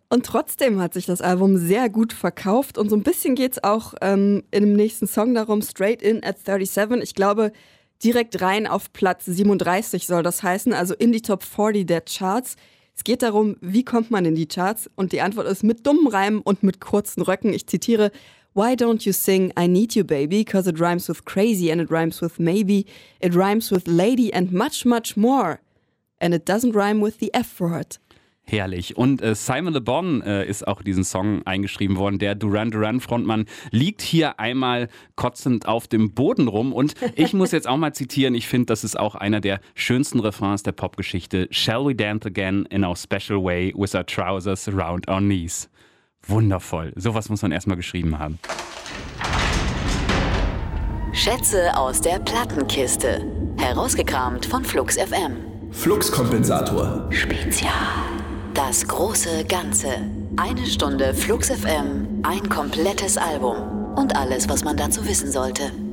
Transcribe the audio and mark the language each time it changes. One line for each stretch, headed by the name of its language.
German: Und trotzdem hat sich das Album sehr gut verkauft. Und so ein bisschen geht es auch in dem nächsten Song darum, Straight In at 37. Ich glaube, direkt rein auf Platz 37 soll das heißen, also in die Top 40 der Charts. Es geht darum, wie kommt man in die Charts? Und die Antwort ist mit dummen Reimen und mit kurzen Röcken. Ich zitiere,
English: why don't you sing I need you baby, cause it rhymes with crazy and it rhymes with maybe, it rhymes with lady and much, much more. And it doesn't rhyme with the F-word.
German: Herrlich. Und Simon Le Bon ist auch diesen Song eingeschrieben worden. Der Duran Duran Frontmann liegt hier einmal kotzend auf dem Boden rum. Und ich muss jetzt auch mal zitieren. Ich finde, das ist auch einer der schönsten Refrains der Popgeschichte.
English: Shall we dance again in our special way with our trousers around our knees?
German: Wundervoll. Sowas muss man erstmal geschrieben haben. Schätze aus der Plattenkiste. Herausgekramt von Flux FM. Fluxkompensator. Spezial. Das große Ganze. Eine Stunde Flux FM, ein komplettes Album und alles, was man dazu wissen sollte.